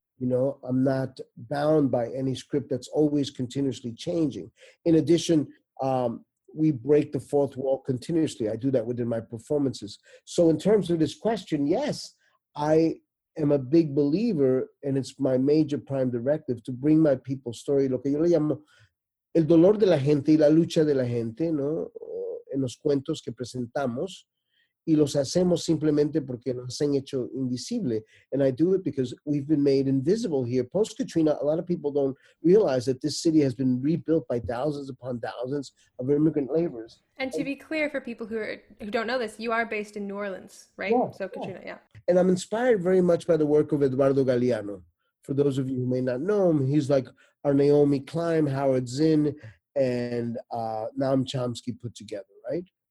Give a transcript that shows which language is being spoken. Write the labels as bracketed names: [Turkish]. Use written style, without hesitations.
[English] You know, I'm not bound by any script that's always continuously changing. In addition, we break the fourth wall continuously. I do that within my performances. So in terms of this question, yes, I am a big believer, and it's my major prime directive to bring my people's story. [Spanish] Lo que yo le llamo el dolor de la gente y la lucha de la gente, ¿no? En los cuentos que presentamos, y los hacemos simplemente porque nos han hecho invisible. [English] And I do it because we've been made invisible here. Post-Katrina, a lot of people don't realize that this city has been rebuilt by thousands upon thousands of immigrant laborers. And to be clear for people who don't know this, you are based in New Orleans, right? Yeah, so Katrina, yeah. And I'm inspired very much by the work of Eduardo Galeano. For those of you who may not know him, he's like our Naomi Klein, Howard Zinn, and Noam Chomsky put together, right?